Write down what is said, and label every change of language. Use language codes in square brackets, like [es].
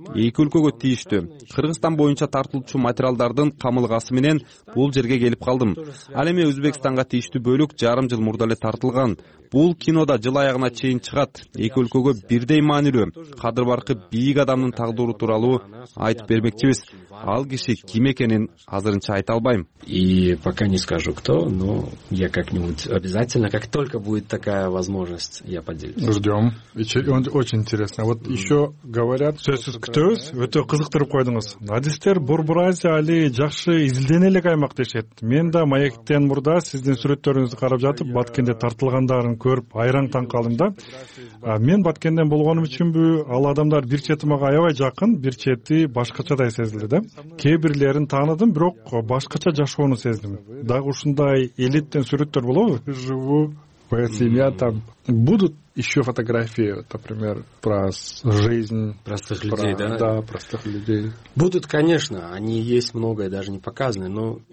[ky] Эки өлкөгө тийиштүү. Кыргызстан боюнча тартылуучу материалдардын камылгасы менен бул жерге келип калдым. Ал эми Өзбекстанга тийиштүү бөлүк жарым жыл мурда эле тартылган. Бул кино да жыл аягына чейин чыгат. Эки өлкөгө бирдей маанилүү. Кадыр баркы бийик адамдын тагдыры тууралуу айтып бермекчибиз. Ал киши ким экенин азырынча айта албайм. [ru] И пока не скажу кто, но я как-нибудь обязательно, как только будет такая возможность, я поделюсь. Ждём. Очень интересно. Вот ещё говорят, [ky] сөзсүз күтөбүз. Өтө кызыктырып койдуңуз. Адистер Борбуразия али жакшы изилденет элек аймак дешет. Мен да маектен мурда сиздин сүрөттөрүңүздү карап жатып, Баткенде тартылгандар көрүп айран таң калдым да. А мен Баткенден болгонум үчүнбү, ал адамдар бир чети мага аябай жакын, бир чети башкачадай сезилди да. Кээ бирлерин тааныдым, бирок башкача жашоону сездим. Дагы ушундай элиттен сүрөттөр болобу? [ru] Живу. Моя семья там. Будут еще фотографии, например, про жизнь. Простых людей, да? Да, простых людей. Будут, конечно. Они есть многое, даже не показаны, но...